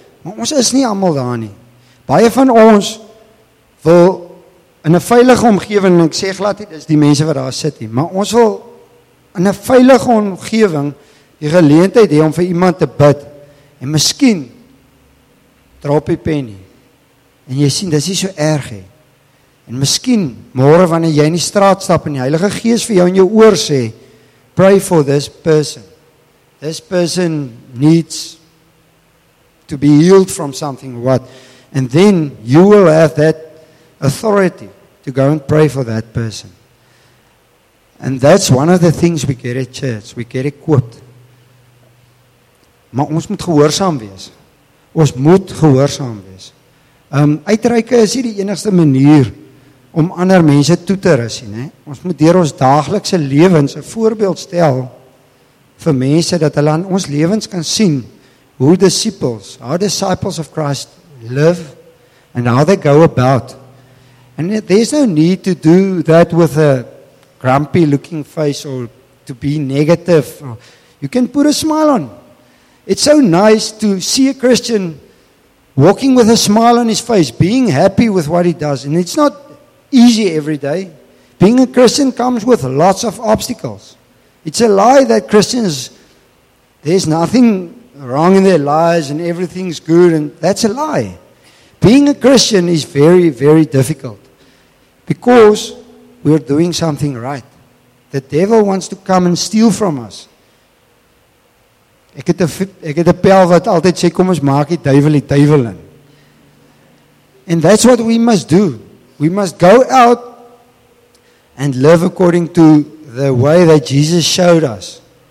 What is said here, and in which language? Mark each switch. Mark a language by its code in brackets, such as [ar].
[af] Maar ons is nie almal daar nie. Baie van ons wil in 'n veilige omgewing, ek sê glad nie, dis die mense wat daar sit nie, maar ons wil in 'n veilige omgewing die geleentheid hê om vir iemand te bid. En miskien drop die pen nie. En jy sien, dis nie so erg nie. En miskien, môre wanneer jy in die straat stap en die Heilige Gees vir jou in jou oor sê, [en] pray for this person. This person needs to be healed from something, what? And then you will have that authority to go and pray for that person. And that's one of the things we get at church. We get equipped. [af] maar ons moet gehoorsaam wees. Ons moet gehoorsaam wees. Uitreike is hier die enigste manier om ander mense toe te rus, nê? Ons moet deur ons daaglikse lewens 'n voorbeeld stel vir mense dat hulle aan ons lewens kan sien hoe disciples, [en] how disciples of Christ live and how they go about. And there's no need to do that with a grumpy looking face or to be negative. You can put a smile on. It's so nice to see a Christian walking with a smile on his face, being happy with what he does. And it's not easy every day. Being a Christian comes with lots of obstacles. It's a lie that Christians, there's nothing wrong in their lives and everything's good, and that's a lie. Being a Christian is very, very difficult because we're doing something right. The devil wants to come and steal from us. [af] Ek het 'n pel wat altyd sê, kom ons maak die duivel die duivel in. [en] And that's what we must do. We must go out and live according to the way that Jesus showed us.